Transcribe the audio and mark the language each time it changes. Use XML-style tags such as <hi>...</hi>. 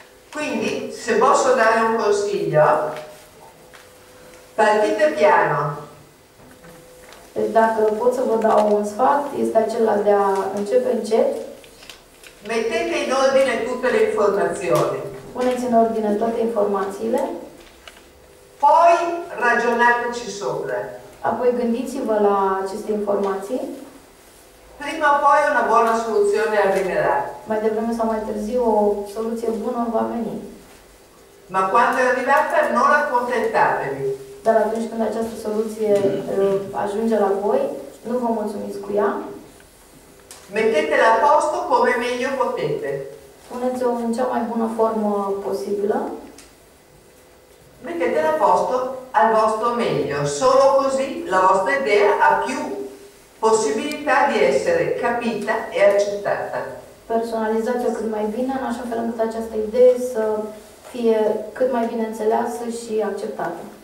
<it>Quindi, se posso dare un consiglio, partite piano.</it> <ro>Deci, dacă pot să vă dau un sfat, este acela de a începe încet.</ro> <it>Mettete in ordine tutte le informazioni.</it> <ro>Puneți în ordine toate informațiile.</ro> <it>Poi ragionateci sopra.</it> <ro>Apoi gândiți-vă la aceste informații.</ro> <it>Prima o poi una buona soluzione arriverà.</it> <ro>Mai devreme sau mai târziu, o soluție bună va veni.</ro> <it>Ma quando è arrivata, non accontentatevi.</it> <ro>Dar atunci când această soluție ajunge la voi, nu vă mulțumiți cu ea.</ro> <it>Mettetela a posto come meglio potete.</it> <ro>Puneți-o în cea mai bună formă posibilă.</ro> <it>Mettetela a posto al vostro meglio. Solo così la vostra idea ha più possibilità di essere capita e accettata.</it> <ro>Personalizați-o cât mai bine, în așa fel încât această idee să fie cât mai bine înțeleasă și acceptată.</ro>